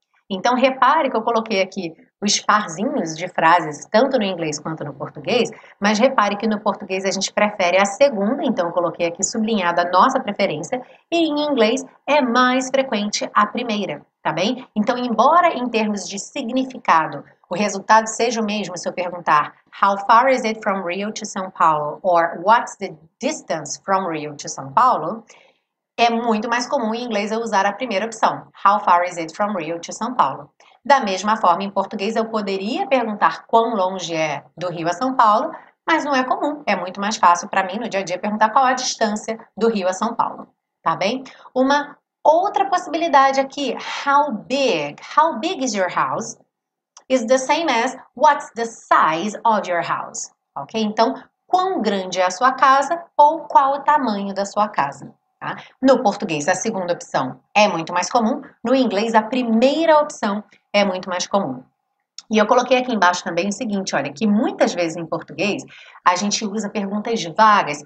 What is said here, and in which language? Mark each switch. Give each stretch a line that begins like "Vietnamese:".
Portuguese: Então, repare que eu coloquei aqui os parzinhos de frases, tanto no inglês quanto no português, mas repare que no português a gente prefere a segunda, então eu coloquei aqui sublinhada a nossa preferência, e em inglês é mais frequente a primeira, tá bem? Então, embora em termos de significado o resultado seja o mesmo se eu perguntar
English: How far is it from Rio to São Paulo? Or what's the distance from Rio to São Paulo?
Portuguese: É muito mais comum em inglês eu usar a primeira opção.
English: How far is it from Rio to São Paulo?
Portuguese: Da mesma forma, em português, eu poderia perguntar quão longe é do Rio a São Paulo, mas não é comum. É muito mais fácil para mim no dia a dia perguntar qual a distância do Rio a São Paulo. Tá bem? Uma outra possibilidade aqui,
English: how big? How big is your house? Is the same as what's the size of your house? Ok?
Portuguese: Então, quão grande é a sua casa ou qual o tamanho da sua casa? Tá? No português, a segunda opção é muito mais comum. No inglês, a primeira opção é muito mais comum. E eu coloquei aqui embaixo também o seguinte, olha, que muitas vezes em português a gente usa perguntas vagas.